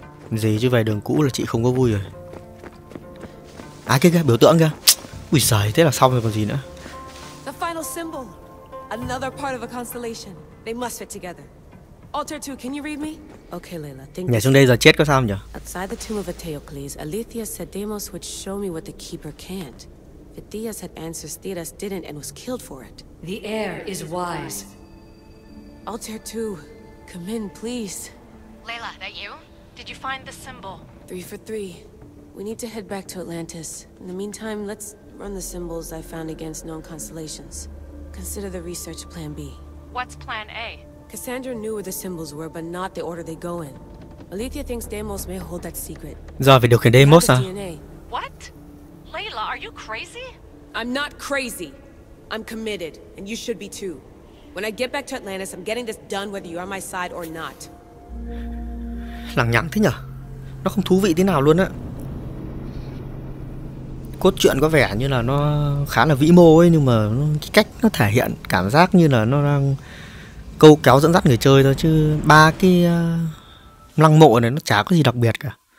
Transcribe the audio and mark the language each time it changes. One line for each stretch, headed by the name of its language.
Vietnamese: Gì chứ về đường cũ là chị không có vui rồi. À kia kia, biểu tượng kia. Ui giời, thế là xong rồi còn gì nữa.
English: The final symbol. Another part of a constellation. They must fit together. Alter 2, can you read me? Okay, Layla.
Vietnamese: Nhảy xuống đây giờ chết có sao không nhỉ?
English: Outside the tomb of Eteocles, Aletheia said Deimos would show me what the keeper can't. Phidias had answers Theras didn't and was killed for it. The heir is wise. Altair 2, come in, please. Layla, that you? Did you find the symbol? 3 for 3. We need to head back to Atlantis. In the meantime, let's run the symbols I found against known constellations. Consider the research plan B. What's plan A? Cassandra knew where the symbols were, but not the order they go in. Aletheia thinks Deimos may hold that secret.
Vietnamese: Giờ phải điều khiển Deimos à?
English: What? Layla, are you crazy? I'm not crazy. I'm committed, and you should be too. When I get back to Atlantis, I'm getting this done whether you're on my side or not.
Vietnamese: Lằng nhằng thế nhở? Nó không thú vị thế nào luôn á. Cốt truyện có vẻ như là nó khá là vĩ mô ấy, nhưng mà cái cách nó thể hiện cảm giác như là nó đang câu kéo dẫn dắt người chơi thôi, chứ ba cái lăng mộ này nó chả có gì đặc biệt cả.